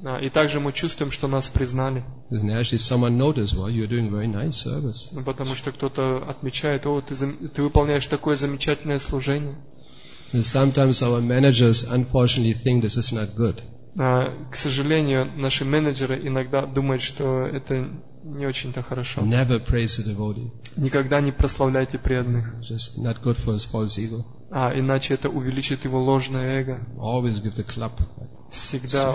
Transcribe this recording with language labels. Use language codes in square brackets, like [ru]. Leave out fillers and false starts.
[ru] И также мы чувствуем, что нас признали. [en] Actually, someone noticed, well, you're doing very nice service. [ru] Потому что кто-то отмечает, о, ты выполняешь такое замечательное служение. [en] And sometimes our managers unfortunately think this is not good. [ru] К сожалению, наши менеджеры иногда думают, что это не очень-то хорошо. [en] Never praise the devotee. [ru] Никогда не прославляйте преданных. [en] Just not good for his false ego. [ru] Иначе это увеличит его ложное эго. [en] Always give the club. [ru] Всегда